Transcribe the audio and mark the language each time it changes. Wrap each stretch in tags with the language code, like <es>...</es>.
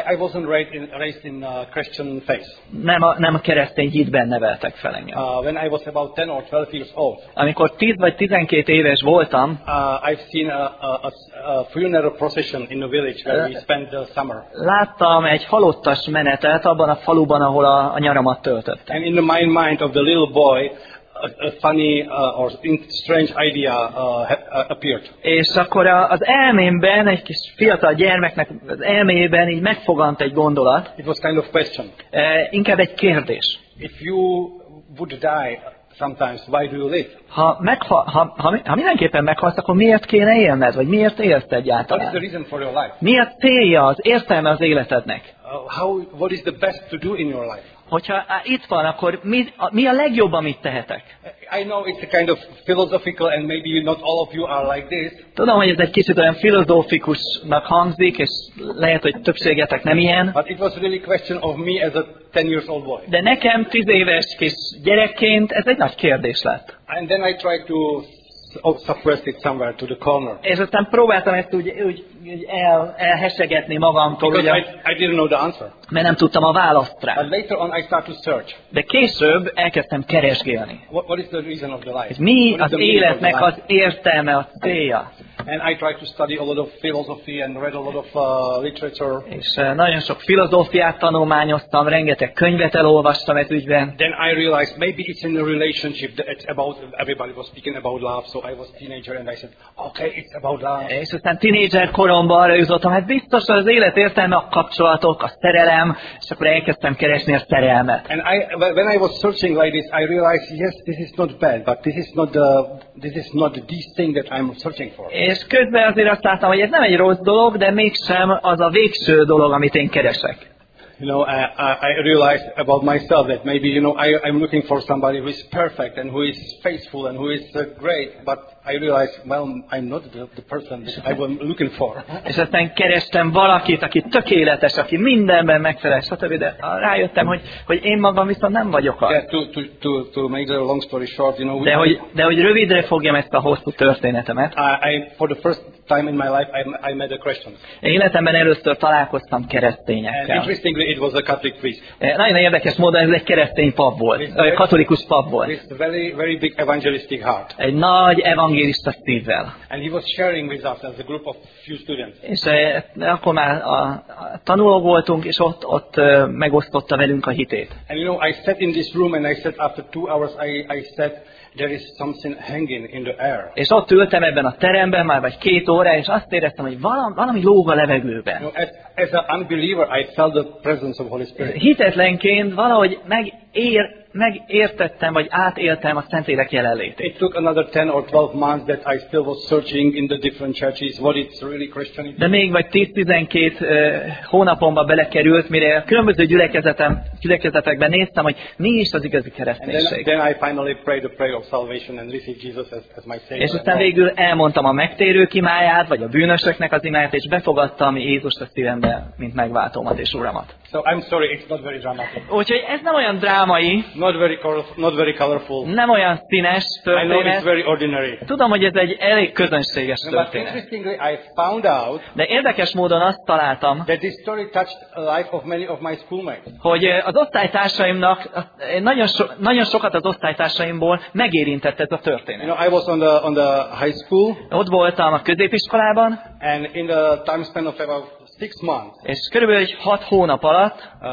<en>I wasn't raised in Christian faith.</en> <hu>Nem a keresztény hitben neveltek fel engem.</hu> <en>When I was about 10 or 12 years old.</en> <hu>Amikor 10 vagy 12 éves voltam.</hu> <en>I've seen a funeral procession in a village where we spent the summer.</en> <hu>Láttam egy halottas menetet abban a faluban, ahol a nyaramat töltöttem.</hu> <en>And in the mind of the little boy, a funny or strange idea appeared.</en> <hu>És akkor az elmémben, egy kis fiatal gyermeknek az elmében így megfogant egy gondolat.</hu> <en>It was kind of question.</en> <hu>Inkább egy kérdés.</hu> <en>If you would die sometimes, why do you live?</en> <hu>Ha mindenképpen meghalsz, akkor miért kéne élned, vagy miért élsz egyáltalán?</hu> <en>What is the reason for your life?</en> <hu>Mi a célja, az értelme az életednek?</hu> <en>What is the best to do in your life?</en> <hu>Hogyha itt van, akkor mi a legjobb, amit tehetek?</hu> <en>I know it's a kind of philosophical and maybe not all of you are like this.</en> <hu>Tudom, hogy ez egy kicsit olyan filozófikusnak hangzik, és lehet, hogy többségetek nem ilyen.</hu> <en>But it was really a question of me as a 10 years old boy.</en> <hu>De nekem 10 éves kis gyerekként ez egy nagy kérdés lett.</hu> <en>And then I tried to suppress it somewhere to the corner.</en> <hu>És aztán próbáltam ezt úgy elhesegetni magamtól.</hu> <en>Because I didn't know the answer.</en> <hu>Mert nem tudtam a választ rá.</hu> <en>But later on I start to search.</en> <hu>De később elkezdtem keresgélni.</hu> <en>What is the reason of the life?</en> <hu>Mi az életnek az értelme, a célja?</hu> <en>And I tried to study a lot of philosophy and read a lot of literature.</en> <hu>És nagyon sok filozófiát tanulmányoztam, rengeteg könyvet elolvastam ez ügyben.</hu> <en>Then I realized maybe it's in a relationship that it's about everybody was speaking about love, so I was teenager and I said, okay, it's about love.</en> <hu>És aztán tínédzser koromban arra jutottam, hát biztos az élet értelme a kapcsolatok, a szerelem, és akkor elkezdtem keresni a szerelmet.</hu> <en>And I, when I was searching like this, I realized, yes, this is not bad, but this is not the thing that I'm searching for.</en> <hu>És közben azért azt láttam, hogy ez nem egy rossz dolog, de mégsem az a végső dolog, amit én keresek.</hu> <en>You know, I realized about myself that maybe, you know, I'm looking for somebody who is perfect and who is faithful and who is great, but I realized, well, I'm not the person that I'm looking for.</en> <hu>És aztán kerestem valakit, aki tökéletes, aki mindenben megfelel, stb., de rájöttem, hogy én magam viszont nem vagyok az.</hu> <en>Yeah, to make the long story short, you know.</en> <hu>De hogy rövidre fogjam ezt a hosszú történetemet.</hu> <en>I for the first time in my life I met a Christian.</en> <hu>Életemben először találkoztam keresztényekkel.</hu> <en>And interestingly, it was a Catholic priest.</en> <hu>Nagyon érdekes módon ez egy keresztény pap volt, egy katolikus pap volt.</hu> <en>With very very big evangelistic heart.</en> <hu>Egy nagy evangélista szívvel.</hu> <en>And he was sharing with us as a group of few students.</en> <hu>És akkor már tanulók voltunk, és ott megosztotta velünk a hitét.</hu> <en>And you know, I sat in this room and I said after 2 hours I said, there is something hanging in the air.</en> <hu>És ott ültem ebben a teremben már vagy 2 óra, és azt éreztem, hogy valami lóg a levegőben.</hu> <en>You know, as an unbeliever, I felt the presence of Holy Spirit.</en> <hu>Hitetlenként valahogy megértettem vagy átéltem a Szentlélek jelenlétét.</hu> <en>It took another 10 or 12 months that I still was searching in the different churches what it's really Christian.</en> <hu>De még vagy 10-12 hónapomba belekerült, mire a különböző gyülekezetekben néztem, hogy mi is az igazi kereszténység.</hu> <en>Then I finally prayed a prayer of salvation and received Jesus as my savior.</en> <hu>És aztán végül elmondtam a megtérők imáját, vagy a bűnösöknek az imáját, és befogadtam Jézust a szívembe, mint megváltómat és Uramat.</hu> <en>So I'm sorry, it's not very dramatic.</en> <hu>Úgyhogy ez nem olyan drámai.</hu> <en>Not very colorful.</en> <hu>Nem olyan színes történet.</hu> <en>I know it's very ordinary.</en> <hu>Tudom, hogy ez egy elég közönséges történet.</hu> <en>But interestingly, I found out.</en> <hu>De érdekes módon azt találtam,</hu> <en>that this story touched the life of many of my schoolmates.</en> <hu>Hogy az osztálytársaimnak nagyon sokat az osztálytársaimból megérintett ez a történet.</hu> <en>You know, I was on the high school.</en> <hu>Ott voltam a középiskolában.</hu> <en>And in the time span of about 6 months.</en> <hu>És körülbelül egy 6 hónap alatt</hu>